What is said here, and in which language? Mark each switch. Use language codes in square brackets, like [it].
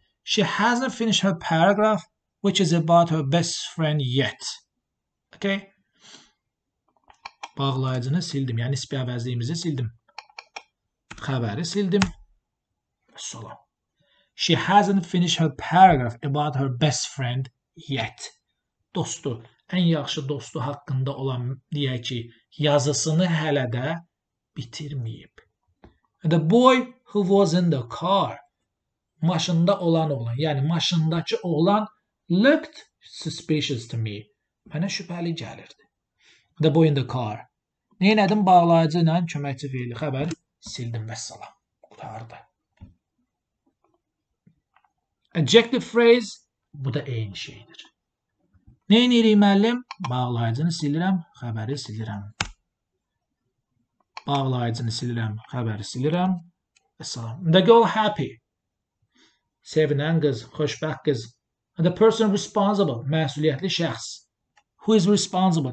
[en] She hasn't finished her paragraph, which is about her best friend yet. [az] Okay. Bağlayıcını sildim. Yəni, nisbi əvəzliyimizi sildim. Xəbəri sildim. Salam. [en] She hasn't finished her paragraph about her best friend yet. [az] Dostu. Ən yaxşı dostu haqqında olan, deyək ki, yazısını hələ də bitirməyib. [en] The boy who was in the car. [az] Maşında olan oğlan, yəni maşındakı oğlan [en] looked suspicious to me. [az] Mənə şübhəli gəlirdi. [en] The boy in the car. [az] Neynədim bağlayıcı ilə köməkçi fiili xəbər sildim və salam. Qutardı. Adjective phrase bu da eyni şeydir. Neyin edirik müəllim? Bağlayıcını silirəm, xəbəri silirəm. Bağlayıcını silirəm, xəbəri silirəm. Salam. [en] The girl happy. [az] Sevinən qız, xoşbəxt qız. [en] And the person responsible, [az] məsuliyyətli şəxs. [en] Who is responsible?